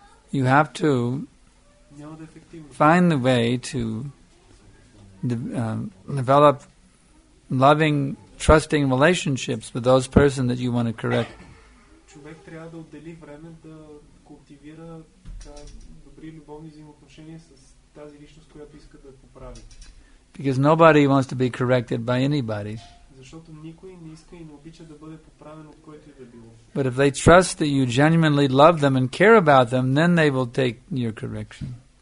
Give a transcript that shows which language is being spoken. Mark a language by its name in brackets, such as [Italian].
[English] You have to find the way to develop loving, trusting relationships with those persons that you want to correct. [Bulgarian] Човек трябва да отдели време да култивира добри любовни взаимоотношения с тази личност, която иска да поправи. [English] Because nobody wants to be corrected by anybody. [Bulgarian] Защото никой не иска и не обича да бъде поправен от който и да било. [English] But if they trust that you genuinely love them and care about them, then they will take your correction.